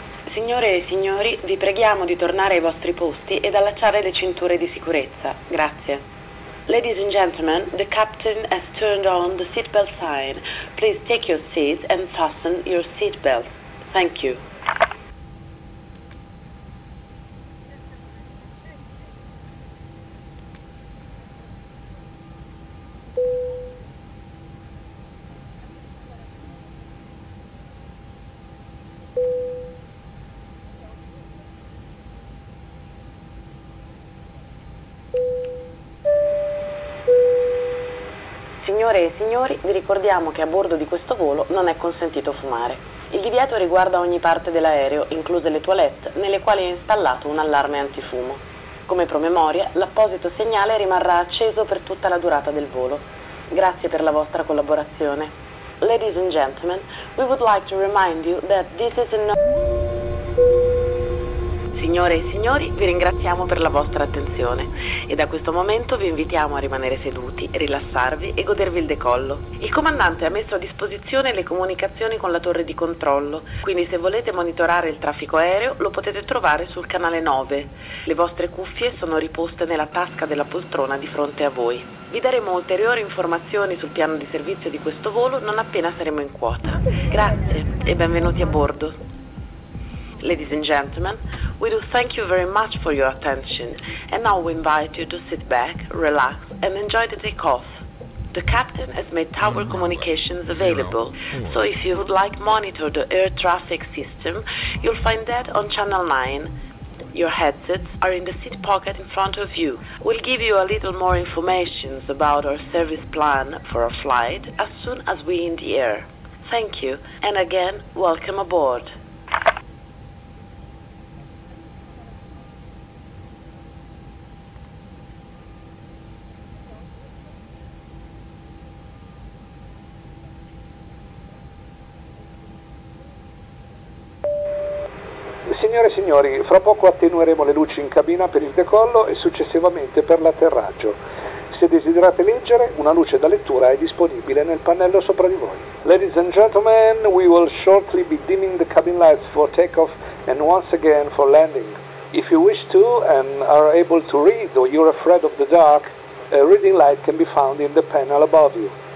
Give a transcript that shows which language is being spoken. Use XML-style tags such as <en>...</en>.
<it>Signore e signori, vi preghiamo di tornare ai vostri posti ed allacciare le cinture di sicurezza. Grazie.</it> <en>Ladies and gentlemen, the captain has turned on the seatbelt sign. Please take your seats and fasten your seatbelt. Thank you.</en> <it>Signore e signori, vi ricordiamo che a bordo di questo volo non è consentito fumare. Il divieto riguarda ogni parte dell'aereo, incluse le toilette, nelle quali è installato un allarme antifumo. Come promemoria, l'apposito segnale rimarrà acceso per tutta la durata del volo. Grazie per la vostra collaborazione.</it> <en>Ladies and gentlemen, we would like to remind you that this is a no...</en> <it>Signore e signori, vi ringraziamo per la vostra attenzione e da questo momento vi invitiamo a rimanere seduti, rilassarvi e godervi il decollo. Il comandante ha messo a disposizione le comunicazioni con la torre di controllo, quindi se volete monitorare il traffico aereo lo potete trovare sul canale 9. Le vostre cuffie sono riposte nella tasca della poltrona di fronte a voi. Vi daremo ulteriori informazioni sul piano di servizio di questo volo non appena saremo in quota. Grazie e benvenuti a bordo.</it> <en>Ladies and gentlemen, we do thank you very much for your attention, and now we invite you to sit back, relax, and enjoy the takeoff. The captain has made tower communications available, so if you would like to monitor the air traffic system, you'll find that on channel 9. Your headsets are in the seat pocket in front of you. We'll give you a little more information about our service plan for our flight as soon as we're in the air. Thank you, and again, welcome aboard.</en> <it>Signore e signori, fra poco attenueremo le luci in cabina per il decollo e successivamente per l'atterraggio. Se desiderate leggere, una luce da lettura è disponibile nel pannello sopra di voi.</it> <en>Ladies and gentlemen, we will shortly be dimming the cabin lights for takeoff and once again for landing. If you wish to and are able to read or you're afraid of the dark, a reading light can be found in the panel above you.</en>